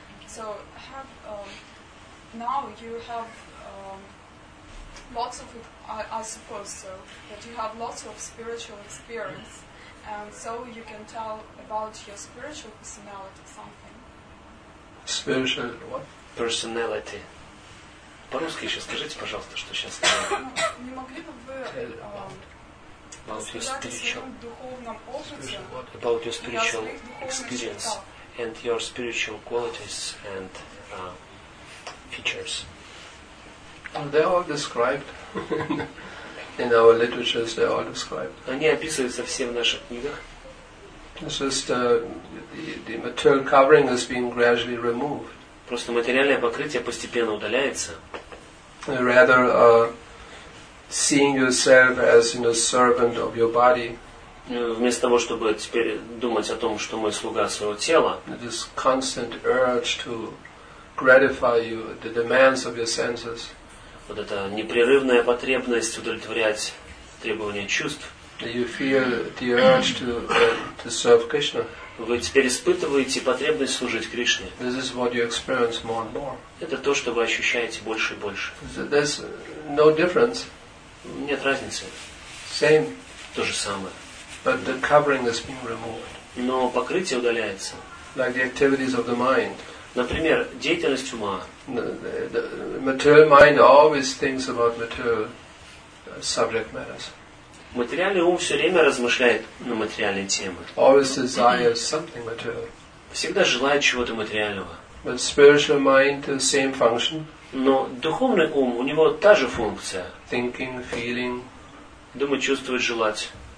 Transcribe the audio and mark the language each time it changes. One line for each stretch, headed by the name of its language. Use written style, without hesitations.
English: So have now you have lots of it, I suppose so, that you have lots of spiritual experience, and so you can tell about your spiritual personality something. Spiritual what? Personality.
Russian: По-русски еще скажите, пожалуйста, что сейчас. Не могли бы вы
English: about your spiritual experience and your spiritual qualities and features. They are all described in our literatures. They are all described.
Russian: Они описываются все в наших книгах.
English: It's just the material covering is being gradually removed.
Russian: Просто материальное покрытие постепенно удаляется.
English: Rather. Seeing yourself as in a servant of your body.
Russian: Вместо того, чтобы теперь думать о том, что мы слуга своего тела.
English: This constant urge to gratify you, the demands of your senses.
Russian: Вот эта непрерывная потребность удовлетворять требования чувств.
English: You feel the urge to serve Krishna.
Russian: Вы теперь испытываете потребность служить Кришне.
English: This is what you experience more and more.
Russian: Это то, что вы ощущаете больше и больше.
English: There's no difference.
Russian: Нет разницы.
English: Same.
Russian: То же самое.
English: But the covering is being removed.
Russian: Но покрытие удаляется.
English: Like the activities of the mind.
Russian: Например, деятельность ума.
English: The material mind always thinks about material subject matters.
Russian: Материальный ум все время размышляет на материальные темы.
English: Always desires something material.
Russian: Всегда желает чего-то материального.
English: But spiritual mind, the same function.
Russian: Но духовный ум, у него та же функция.
English: Thinking, feeling,
Russian: думать, чувствовать, желать.